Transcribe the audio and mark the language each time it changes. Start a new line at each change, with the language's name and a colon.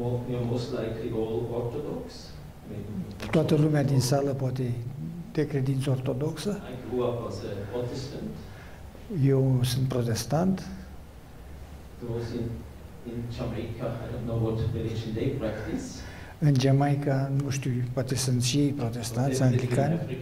English: You're most likely all orthodox.
Romanian: Toată lumea din sală poate de credință ortodoxă.
English: I grew up as a Protestant.
Romanian: Eu sunt protestant.
English: In Jamaica, I don't know what religion they practice.
Romanian: În Jamaica, nu știu, poate sunt și ei protestanți, anglicani.